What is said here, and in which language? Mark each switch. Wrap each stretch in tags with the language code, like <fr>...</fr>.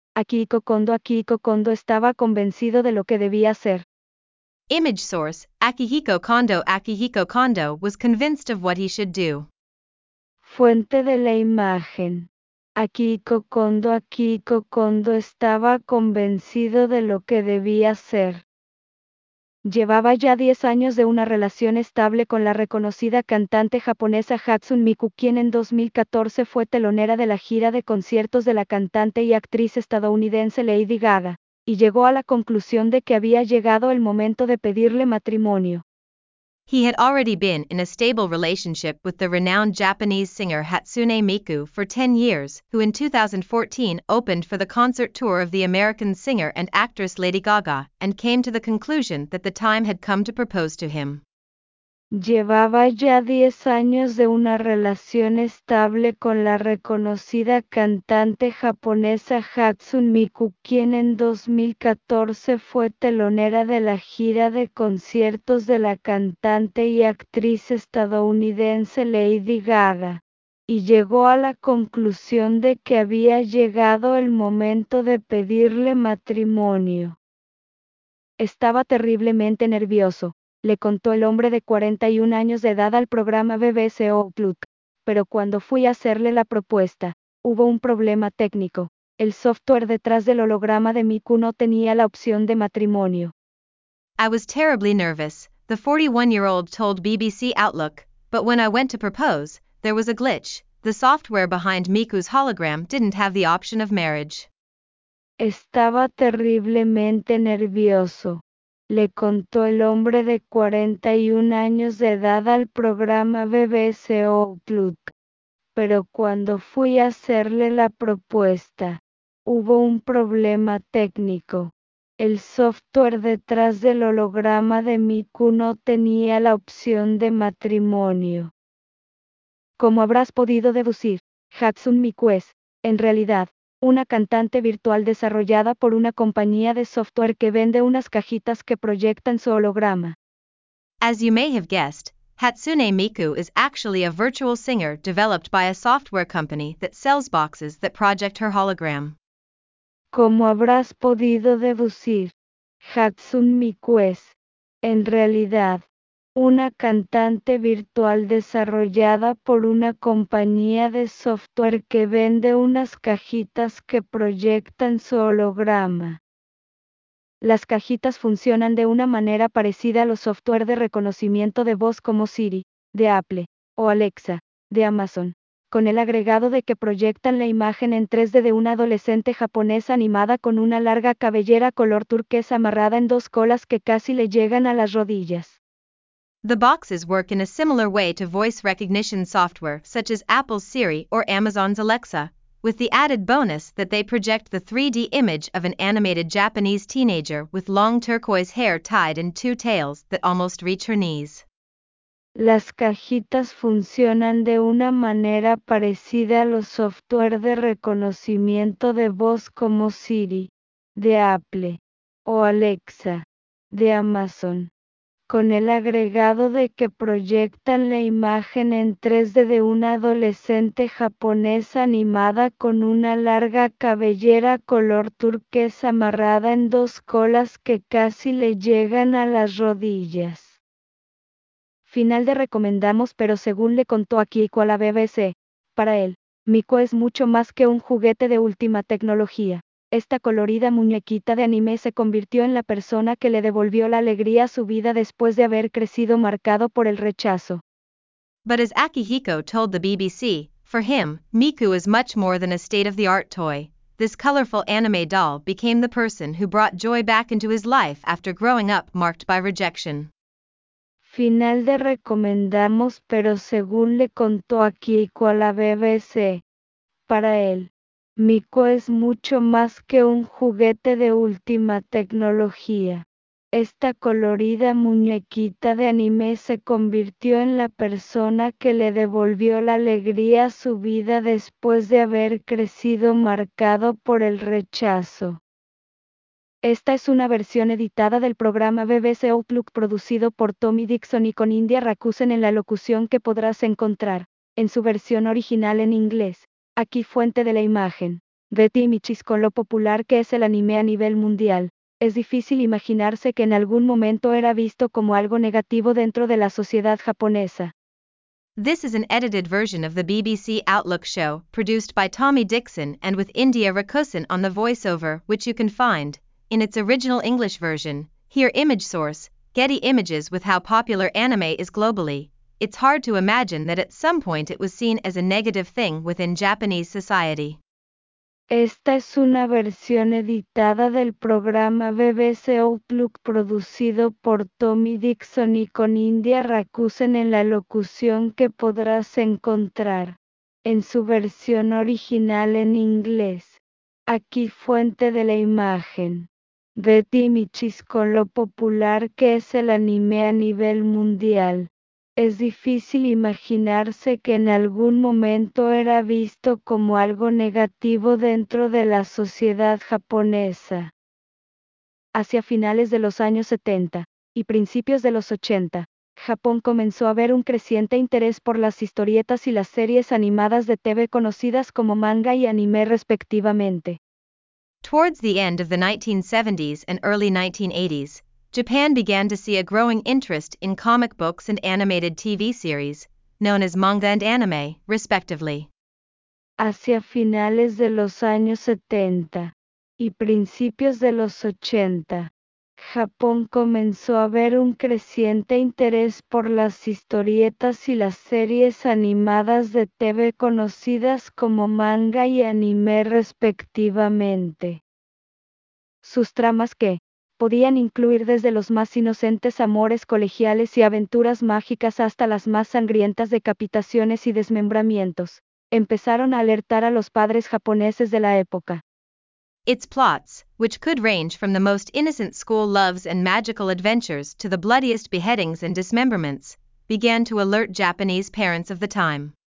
<es>Akihiko Kondo estaba convencido de lo que debía hacer.</es> <en>Image source, Akihiko Kondo. Akihiko Kondo was convinced of what he should do.</en> <es>Fuente de la imagen. Akihiko Kondo estaba convencido de lo que debía hacer. Llevaba ya 10 años de una relación estable con la reconocida cantante japonesa Hatsune Miku, quien en 2014 fue telonera de la gira de conciertos de la cantante y actriz estadounidense Lady Gaga, y llegó a la conclusión de que había llegado el momento de pedirle matrimonio.</es> <en>He had already been in a stable relationship with the renowned Japanese singer Hatsune Miku for 10 years, who in 2014 opened for the concert tour of the American singer and actress Lady Gaga, and came to the conclusion that the time had come to propose to him.</en> <es>Llevaba ya 10 años de una relación estable con la reconocida cantante japonesa Hatsune Miku, quien en 2014 fue telonera de la gira de conciertos de la cantante y actriz estadounidense Lady Gaga, y llegó a la conclusión de que había llegado el momento de pedirle matrimonio. Estaba terriblemente nervioso, le contó el hombre de 41 años de edad al programa BBC Outlook, pero cuando fui a hacerle la propuesta, hubo un problema técnico. El software detrás del holograma de Miku no tenía la opción de matrimonio.</es> <en>I was terribly nervous, the 41-year-old told BBC Outlook, but when I went to propose, there was a glitch. The software behind Miku's hologram didn't have the option of marriage.</en> <es>Estaba terriblemente nervioso, le contó el hombre de 41 años de edad al programa BBC Outlook. Pero cuando fui a hacerle la propuesta, hubo un problema técnico. El software detrás del holograma de Miku no tenía la opción de matrimonio. Como habrás podido deducir, Hatsune Miku es, en realidad, una cantante virtual desarrollada por una compañía de software que vende unas cajitas que proyectan su holograma.</es> <en>As you may have guessed, Hatsune Miku is actually a virtual singer developed by a software company that sells boxes that project her hologram.</en> <es>Como habrás podido deducir, Hatsune Miku es, en realidad, una cantante virtual desarrollada por una compañía de software que vende unas cajitas que proyectan su holograma. Las cajitas funcionan de una manera parecida a los software de reconocimiento de voz como Siri, de Apple, o Alexa, de Amazon, con el agregado de que proyectan la imagen en 3D de una adolescente japonesa animada con una larga cabellera color turquesa amarrada en dos colas que casi le llegan a las rodillas.</es> <en>The boxes work in a similar way to voice recognition software such as Apple's Siri or Amazon's Alexa, with the added bonus that they project the 3D image of an animated Japanese teenager with long turquoise hair tied in two tails that almost reach her knees.</en> <es>Las cajitas funcionan de una manera parecida a los software de reconocimiento de voz como Siri, de Apple, o Alexa, de Amazon, con el agregado de que proyectan la imagen en 3D de una adolescente japonesa animada con una larga cabellera color turquesa amarrada en dos colas que casi le llegan a las rodillas. Final de recomendamos, pero según le contó Akiko a la BBC, para él, Miku es mucho más que un juguete de última tecnología. Esta colorida muñequita de anime se convirtió en la persona que le devolvió la alegría a su vida después de haber crecido marcado por el rechazo.</es> <en>But as Akihiko told the BBC, for him, Miku is much more than a state-of-the-art toy. This colorful anime doll became the person who brought joy back into his life after growing up marked by rejection.</en> <es>Final de recomendamos, pero según le contó Akihiko a la BBC, para él, Miku es mucho más que un juguete de última tecnología. Esta colorida muñequita de anime se convirtió en la persona que le devolvió la alegría a su vida después de haber crecido marcado por el rechazo. Esta es una versión editada del programa BBC Outlook producido por Tommy Dixon y con India Rakusen en la locución que podrás encontrar en su versión original en inglés. Aquí fuente de la imagen. Betty y Michis con lo popular que es el anime a nivel mundial. Es difícil imaginarse que en algún momento era visto como algo negativo dentro de la sociedad japonesa.</es> <en>This is an edited version of the BBC Outlook show, produced by Tommy Dixon and with India Rakosan on the voiceover, which you can find, in its original English version, here image source, Getty Images. With how popular anime is globally, it's hard to imagine that at some point it was seen as a negative thing within Japanese society.</en> <es>Esta es una versión editada del programa BBC Outlook producido por Tommy Dixon y con India Rakusen en la locución que podrás encontrar en su versión original en inglés. Aquí fuente de la imagen. Betty Michis con lo popular que es el anime a nivel mundial. Es difícil imaginarse que en algún momento era visto como algo negativo dentro de la sociedad japonesa. Hacia finales de los años 70 y principios de los 80, Japón comenzó a ver un creciente interés por las historietas y las series animadas de TV conocidas como manga y anime respectivamente.</es> <en>Towards the end of the 1970s and early 1980s, Japan began to see a growing interest in comic books and animated TV series, known as manga and anime, respectively.</en> <es>Hacia finales de los años 70 y principios de los 80, Japón comenzó a ver un creciente interés por las historietas y las series animadas de TV conocidas como manga y anime respectivamente. Sus tramas que podían incluir desde los más inocentes amores colegiales y aventuras mágicas hasta las más sangrientas decapitaciones y desmembramientos, empezaron a alertar a los padres japoneses de la época.</es> <en>Its plots, which could range from the most innocent school loves and magical adventures to the bloodiest beheadings and dismemberments, began to alert Japanese parents of the time.</en>